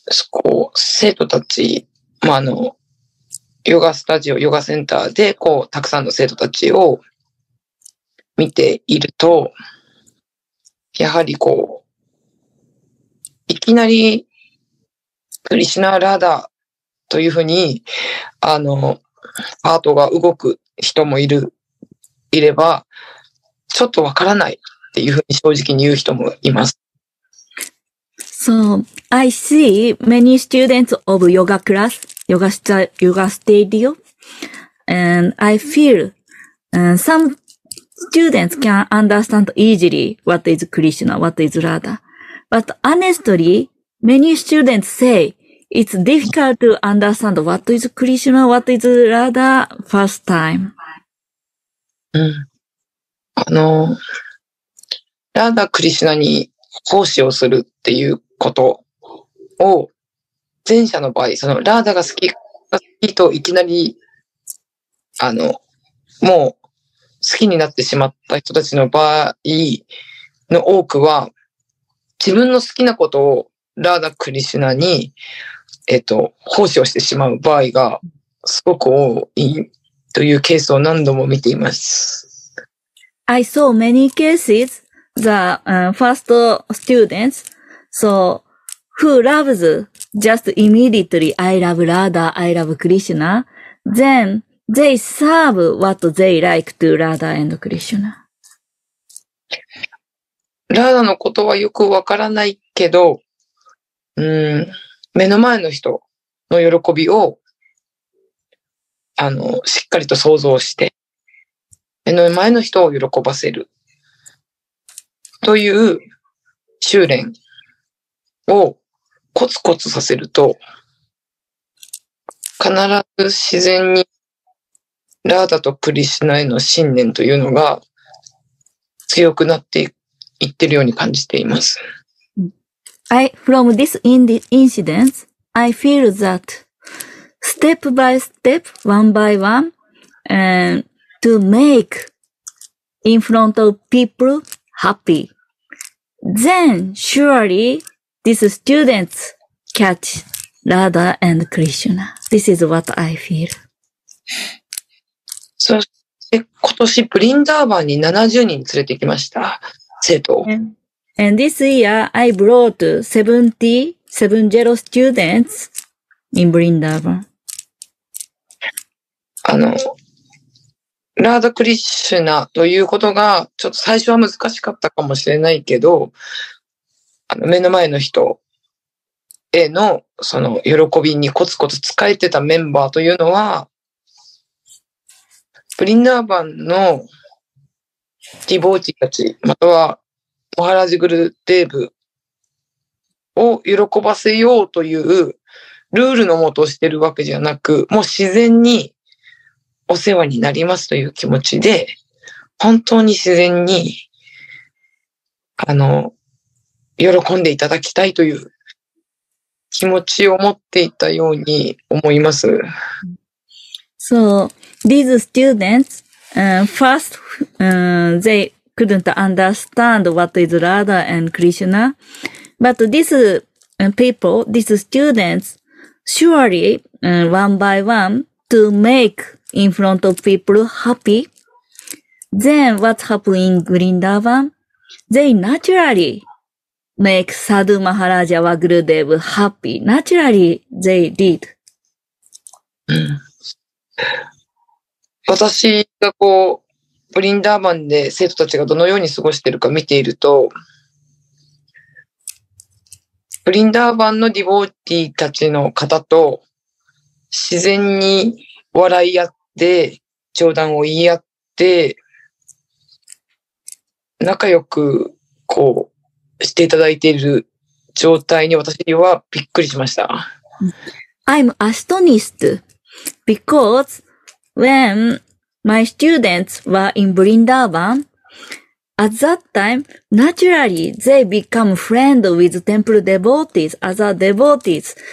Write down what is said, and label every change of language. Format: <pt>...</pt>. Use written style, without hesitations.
<ja>こう、生徒たち、ヨガスタジオ、ヨガセンターで、こう、たくさんの生徒たちを見ていると、やはりこう、いきなり、クリシナ・ラーダというふうに、ハートが動く人もいれば、ちょっとわからないっていうふうに正直に言う人もいます。</ja> <en>So, I see many students of yoga class, yoga studio, and I feel, some students can understand easily what is Krishna, what is Radha. But honestly, many students say,It's difficult to understand what is Krishna, what is Radha first time.</en> <ja>ラダ・クリシュナに奉仕をするっていうことを、前者の場合、そのラダが好き、好きといきなり、もう好きになってしまった人たちの場合の多くは、自分の好きなことをラダ・クリシュナに、奉仕をしてしまう場合がすごく多いというケースを何度も見ています。</ja> <en>I saw many cases, the first students, so who loves just immediately, I love Radha, I love Krishna, then they serve what they like to Radha and Krishna.</en> <ja>Radha のことはよくわからないけど、目の前の人の喜びを、しっかりと想像して、目の前の人を喜ばせる、という修練をコツコツさせると、必ず自然に、ラーダとクリシュナへの信念というのが、強くなっていってるように感じています。</ja> <en>I, from this incident, I feel that step by step, one by one, and to make in front of people happy. Then surely these students catch Radha and Krishna. This is what I feel.</en> <ja>そして今年ブリンダーバンに70人連れてきました生徒を。</ja> <en>And this year I brought 70 students in Vrindavan.</en> <ja>あのラーダ・クリシュナということがちょっと最初は難しかったかもしれないけど、あの目の前の人へのその喜びにコツコツ使えてたメンバーというのは、ブリンダーバンのディボーチたち、またはモハラジグルデーブを喜ばせようというルールのもとをしているわけじゃなく、もう自然にお世話になりますという気持ちで、本当に自然に、あの、喜んでいただきたいという気持ちを持っていたように思います。</ja> <en>So, these students, first, they couldn't understand what is Radha and Krishna, but these people, these students, surely, one by one, to make in front of people happy. Then what's happening in Vrindavan? They naturally make Sadhu Maharaja Vagrudev happy. Naturally, they did.</en> <ja>私がこう、ブリンダーバンで生徒たちがどのように過ごしているか見ていると、ブリンダーバンのディボーティーたちの方と自然に笑い合って、冗談を言い合って、仲良くこうしていただいている状態に私はびっくりしました。</ja> <en>I'm astonished because when my students were in Vrindavan, at that time, naturally they become friends with temple devotees, other devotees.</en>